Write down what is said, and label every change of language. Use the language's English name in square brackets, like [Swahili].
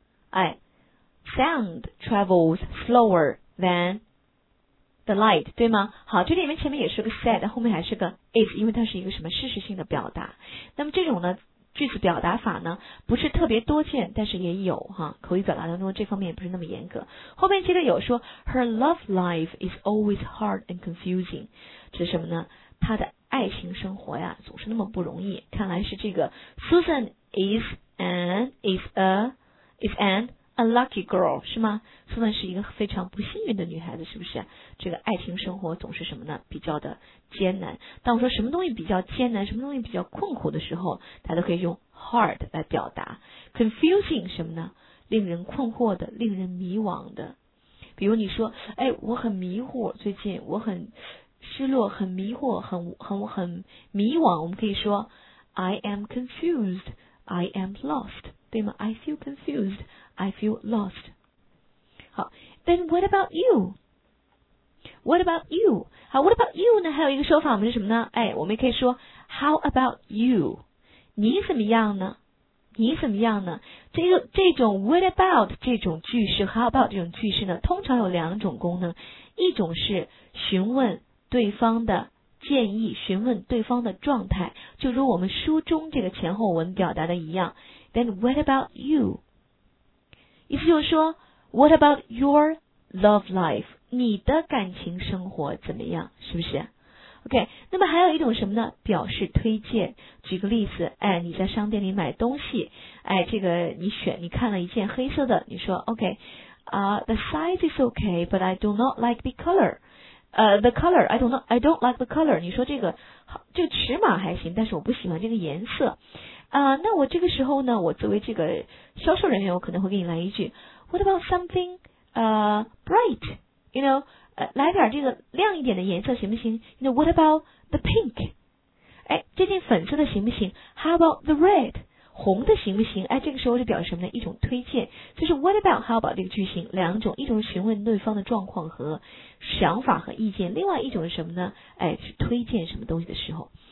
[English] 哎， sound travels slower than the light， [Chinese] 对吗？好，这里面前面也是个 said， 后面还是个 is， 因为它是一个什么事实性的表达。那么这种呢句子表达法呢不是特别多见，但是也有哈，口语表达当中这方面也不是那么严格。后面接着有说 [English] her love life is always hard and confusing， [Chinese] 指什么呢？她的爱情生活呀总是那么不容易，看来是这个 [English] Susan is an unlucky girl， [Chinese] 是吗？ Susan是一个非常不幸运的女孩子，是不是？这个爱情生活总是什么呢？比较的艰难。当我说什么东西比较艰难，什么东西比较困苦的时候，大家都可以用 hard 来表达。 confusing 什么呢？令人困惑的，令人迷惘的。比如你说，哎，我很迷惑，最近我很失落，很迷惑，很迷惘。我们可以说 [English] I am confused, I am lost， [Chinese] 对吗？ [English] I feel confused, I feel lost。 [Chinese] 好， [English] then what about you? What about you? [Chinese] 好 ， [English] What about you [Chinese] 呢？还有一个说法，我们是什么呢？哎，我们也可以说 [English] How about you？ [Chinese] 您怎么样呢？您怎么样呢？这种 What about 这种句式 ，How about 这种句式呢？通常有两种功能，一种是询问对方的建议，询问对方的状态，就如我们书中这个前后文表达的一样。 [English] Then What about you？意思就是说 What about your love life？ [Chinese] 你的感情生活怎么样，是不是 ？OK， 那么还有一种什么呢？表示推荐。举个例子，哎，你在商店里买东西，哎，这个你看了一件黑色的，你说 [English] OK， the size is okay， but I do not like the color， I don't like the color。 [Chinese] 你说这个尺码还行，但是我不喜欢这个颜色。那我这个时候呢，我作为这个销售人员，我可能会给你来一句 ， [English] What about something bright？ You know, [Chinese] 来点这个亮一点的颜色行不行 [English] ？You know, what about the pink? [Chinese] 哎，这件粉色的行不行 ？ [English] How about the red? [Chinese] 红的行不行？哎，这个时候就表示什么呢？一种推荐，就是 what about, how about 这个句型，两种，一种是询问对方的状况和想法和意见，另外一种是什么呢？哎，是推荐什么东西的时候。